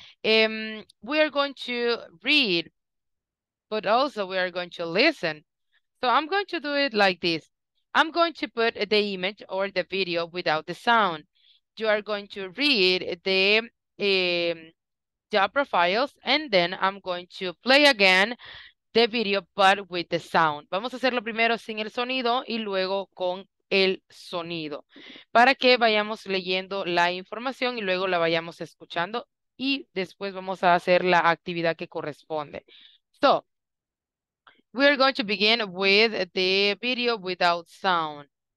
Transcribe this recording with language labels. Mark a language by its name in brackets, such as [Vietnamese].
[English] We are going to read, but also we are going to listen. So I'm going to do it like this. I'm going to put the image or the video without the sound. You are going to read the job profiles, and then I'm going to play again the video, but with the sound. [Spanish] Vamos a hacerlo primero sin el sonido y luego con el sonido, para que vayamos leyendo la información y luego la vayamos escuchando, y después vamos a hacer la actividad que corresponde. [English] So, we are going to begin with the video without sound.